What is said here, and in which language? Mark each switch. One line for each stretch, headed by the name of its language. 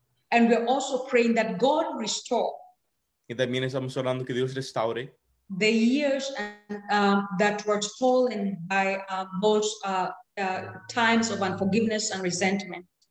English: And we're also praying that God restore.
Spanish: Y también estamos orando que Dios restaure.
English: The years that were stolen by those times of unforgiveness and resentment.